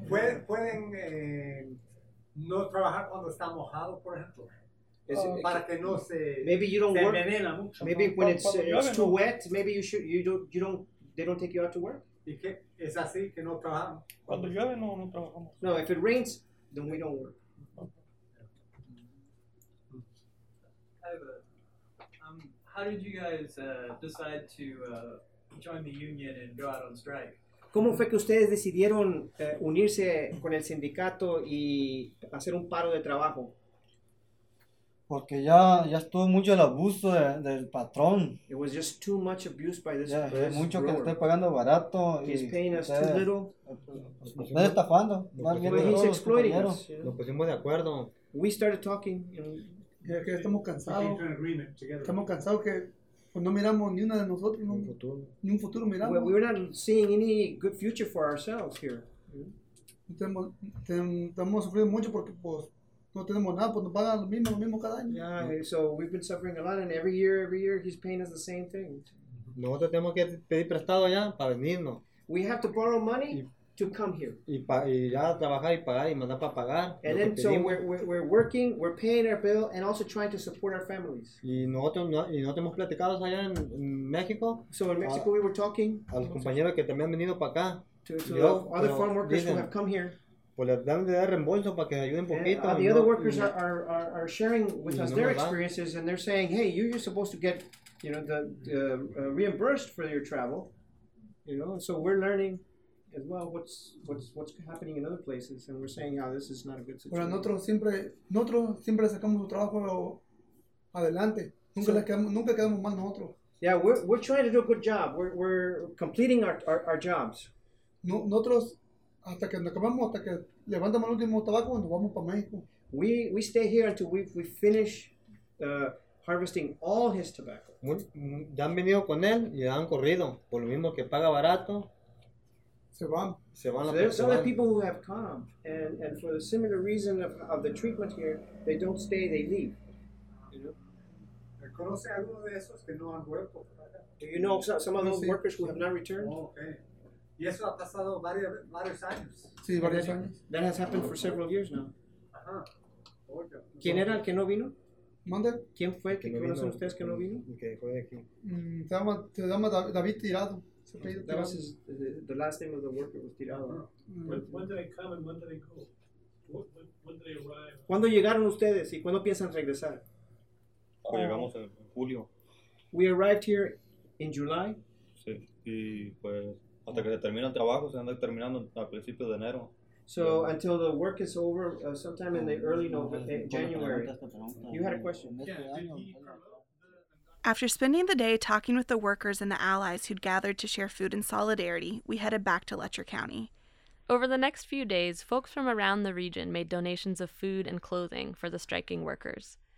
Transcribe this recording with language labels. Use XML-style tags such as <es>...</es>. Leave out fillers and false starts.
<es>Pueden no trabajar cuando está mojado, por ejemplo. Para que no se</es> <en>maybe you don't</en> <es>se</es> <en>work.</en> <es>Envenena mucho.</es> <en>Maybe when it's too wet, maybe they don't take you out to work.</en> <es>¿Y qué? Es así que no trabajan. Cuando llueve no trabajamos.</es> <en>No, if it rains, then we don't work. How did you guys decide to join the union and go out on strike?</en> <es>¿Cómo fue que ustedes decidieron unirse con el sindicato y hacer un paro de trabajo? Porque ya estuvo mucho el abuso del patrón.</es> <en>It was just too much abuse by this grower.</en> <es>Yeah, mucho que esté pagando barato.</es> <en>He's paying us too little.</en> <es>Está estafando.</es> <en>He's exploiting us.</en> <es>Nos pusimos de acuerdo.</es> <en>We started talking.</en> <es>Que estamos cansados. Estamos cansados que no miramos ni una de nosotros, ni un futuro miramos.</es> <en>Well, we were not seeing any good future for ourselves here.</en> <es>Estamos sufriendo mucho porque pues no tenemos nada, pues nos pagan lo mismo cada año.</es> <en>Yeah, so we've been suffering a lot, and every year he's paying us the same thing.</en> <es>Nosotros tenemos que pedir prestado allá para venirnos.</es> <en>We have to borrow money to come here.</en> <es>Y ya trabajar y pagar y mandar para pagar.</es> <en>And then so we're working, we're paying our bill, and also trying to support our families.</en> <es>Y no tenemos platicados allá en México.</es> <en>So in Mexico we were talking.</en> <es>A los compañeros que también han venido para acá.</es> <en>To other farm workers who have come here.</en> <es>Pues les dan de dar reembolso para que ayuden poquito.</es> <en>The other workers are sharing with us their experiences, and they're saying, hey, you're supposed to get, you know, the reimbursed for your travel. You know, so we're learning as well what's happening in other places, and we're saying how this is not a good situation.</en> <es>Nosotros siempre sacamos el trabajo adelante. Nunca quedamos mal nosotros.</es> <en>Yeah, we're trying to do a good job. We're completing our jobs.</en> <es>Nosotros hasta que nos acabamos, hasta que levantamos el último tabaco, nos vamos para México.</es> <en>We stay here until we finish harvesting all his tobacco.</en> <es>Ya han venido con él y ya han corrido por lo mismo que paga barato. Se van.</es> <en>So there's other people who have come, and for the similar reason of the treatment here, they don't stay, they leave. Do you know some of those workers who have not returned?</en> <es>Oh, okay. Y eso ha pasado varios años. Sí, varios años.</es> <en>That has happened for several years now.</en> <es>Ajá. ¿Quién era el que no vino? ¿Mande? ¿Quién fue el que no vino? ¿Conocen ustedes que no vino? Que fue de aquí. Se llama David Tirado.</es> <en>That was the last name of the worker was Tirado. When did they come and when did they go? When did they arrive?</en> <es>¿Cuándo llegaron ustedes y cuándo piensan regresar? Llegamos en julio.</es> <en>We arrived here in July.</en> <es>Sí, y pues hasta que se termina el trabajo se anda terminando a principios de enero.</es> <en>So until the work is over, sometime in the early November, January. You had a question. Yeah, did he... After spending the day talking with the workers and the allies who'd gathered to share food in solidarity, we headed back to Letcher County. Over the next few days, folks from around the region made donations of food and clothing for the striking workers.</en>